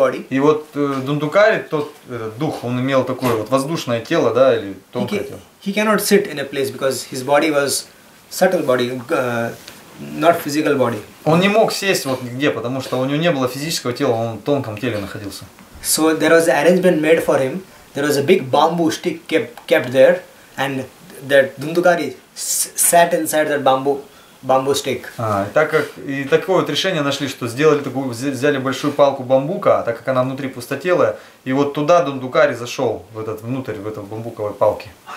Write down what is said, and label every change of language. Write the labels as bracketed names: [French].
[Russian] И вот Дундукари, тот дух, он имел такое вот воздушное тело, да, или тонкое тело. [English] He cannot sit in a place because his body was subtle body, not physical body. [Russian] Он не мог сесть вот где, потому что у него не было физического тела, он в тонком теле находился. [English] So there was an arrangement made for him. There was a big bamboo stick kept there, and that Дундукари sat inside that bamboo stick. [Russian] Такое вот решение нашли, что сделали такую, взяли большую палку бамбука, так как она внутри пустотелая, и вот туда Дундукари зашел в этот внутрь в этой бамбуковой палке.